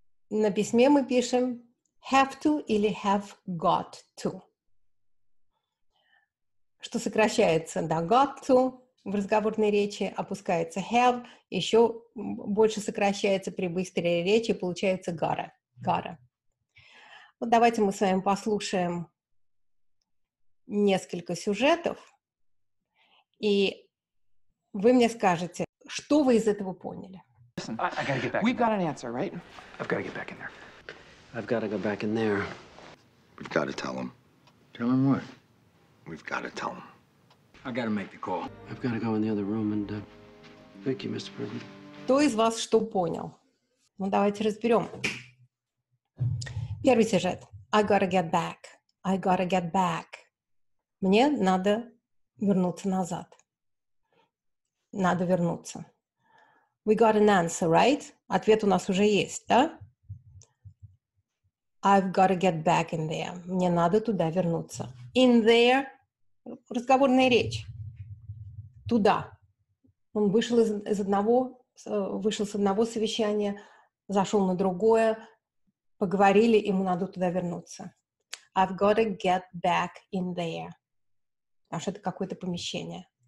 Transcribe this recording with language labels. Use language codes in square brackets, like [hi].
[ru] На письме мы пишем have to или have got to, что сокращается до got to в разговорной речи, опускается have, еще больше сокращается при быстрой речи, получается gotta, gotta. Вот давайте мы с вами послушаем несколько сюжетов, и вы мне скажете, что вы из этого поняли. [en] I've got to go back in there. We've got to tell him. Tell him what? We've got to tell him. I've got to make the call. I've got to go in the other room and thank you, Mr. President. [ru] Кто из вас что понял? Ну, давайте разберем. Первый сюжет. [en] I got to get back. I got to get back. [ru] Мне надо вернуться назад. Надо вернуться. [en] We got an answer, right? [ru] Ответ у нас уже есть, да? [en] I've got to get back in there. [ru] Мне надо туда вернуться. In there – разговорная речь. Туда. Он вышел из одного, вышел с одного совещания, зашел на другое, поговорили, ему надо туда вернуться. [en] I've got to get back in there. [ru] Потому что это какое-то помещение.